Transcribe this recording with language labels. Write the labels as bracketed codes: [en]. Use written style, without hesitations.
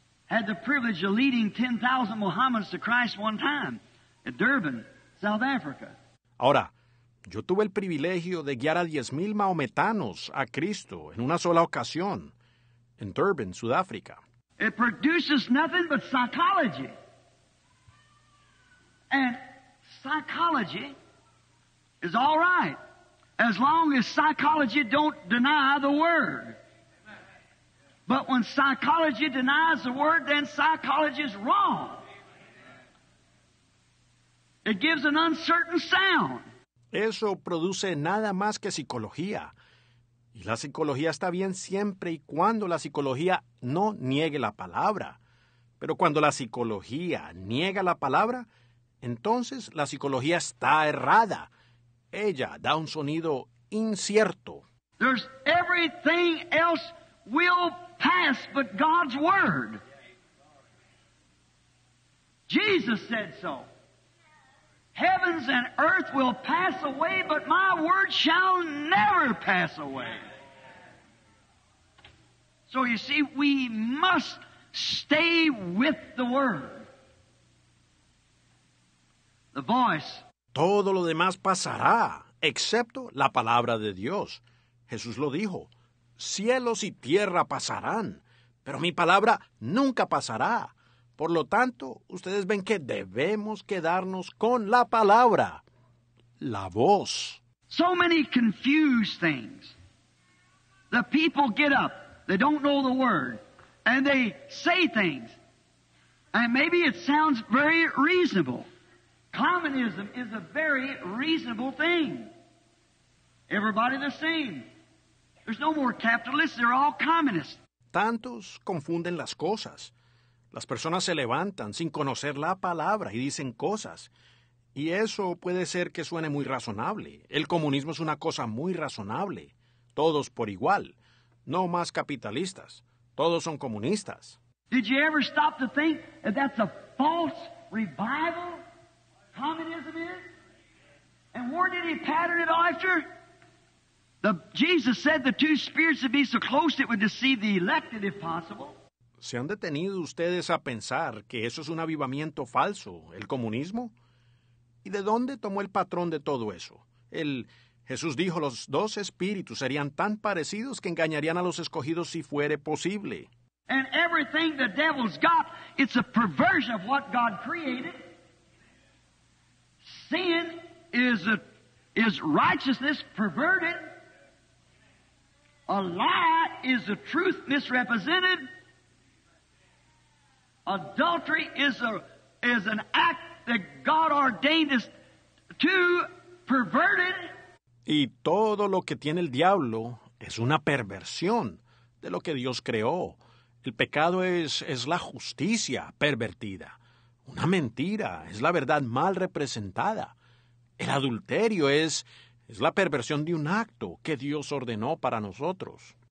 [en] Had the privilege of leading 10,000 Mohammedans to Christ one time at Durban, South Africa. [es] Ahora, yo tuve el privilegio de guiar a 10,000 mahometanos a Cristo en una sola ocasión en Durban, Sudáfrica. [en] It produces nothing but psychology. And psychology is all right as long as psychology don't deny the word. But when psychology denies the word, then psychology is wrong. It gives an uncertain sound. [es] Eso produce nada más que psicología. Y la psicología está bien siempre y cuando la psicología no niegue la palabra. Pero cuando la psicología niega la palabra, entonces la psicología está errada. Ella da un sonido incierto. [en] There's everything else will pass but God's word. Jesus said so. Heavens and earth will pass away, but my word shall never pass away. So you see, we must stay with the word. The voice. [es] Todo lo demás pasará, excepto la palabra de Dios. Jesús lo dijo. Cielos y tierra pasarán, pero mi palabra nunca pasará. Por lo tanto, ustedes ven que debemos quedarnos con la palabra, la voz. [en] So many confused things. The people get up, they don't know the word, and they say things. And maybe it sounds very reasonable. Communism is a very reasonable thing. Everybody the same. There's no more capitalists, they're all communists. [es] Tantos confunden las cosas. Las personas se levantan sin conocer la palabra y dicen cosas. Y eso puede ser que suene muy razonable. El comunismo es una cosa muy razonable. Todos por igual. No más capitalistas. Todos son comunistas. [en] Did you ever stop to think that that's a false revival communism is? And where did he pattern it after? Jesus said the two spirits would be so close it would deceive the elected if possible. [es] ¿Se han detenido ustedes a pensar que eso es un avivamiento falso, el comunismo? ¿Y de dónde tomó el patrón de todo eso? El, Jesús dijo, los dos espíritus serían tan parecidos que engañarían a los escogidos si fuere posible. [en] And everything the devil's got, it's a perversion of what God created. Sin is righteousness perverted. A lie is the truth misrepresented. Adultery is an act that God ordained is too perverted. [es] Y todo lo que tiene el diablo es una perversión de lo que Dios creó. El pecado es la justicia pervertida. Una mentira es la verdad mal representada. El adulterio es la perversión de un acto que Dios ordenó para nosotros.